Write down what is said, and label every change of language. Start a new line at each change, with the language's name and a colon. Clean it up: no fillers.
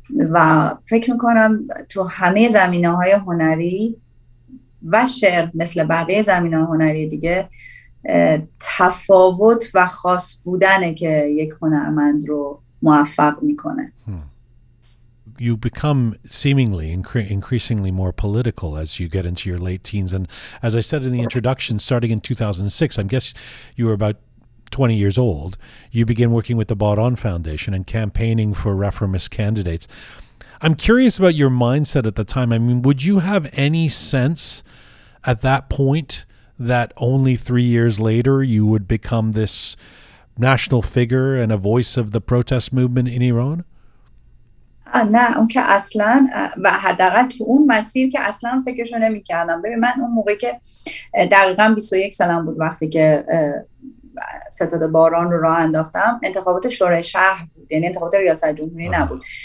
Persian: و فکر میکنم تو همه زمینه های هنری و شعر مثل بقیه زمینه هنری دیگه، تفاوت و خاص بودنه که یک هنرمند رو موفق میکنه.
English: You become seemingly increasingly more political as you get into your late teens, and as I said in the introduction, starting in 2006, I guess you were about 20 years old, you begin working with the Baudon Foundation and campaigning for reformist candidates. I'm curious about your mindset at the time. I mean, would you have any sense at that point that only 3 years later you would become this national figure and a voice of the protest movement in Iran?
Persian: نه اون که اصلا و حداقل تو اون مسیر که اصلا فکرشو نمی‌کردم. ببین من اون موقعی که دقیقاً 21 سالم بود وقتی که ستاد باران رو راه انداختم، انتخابات شورای شهر بود، یعنی انتخابات ریاست جمهوری نبود.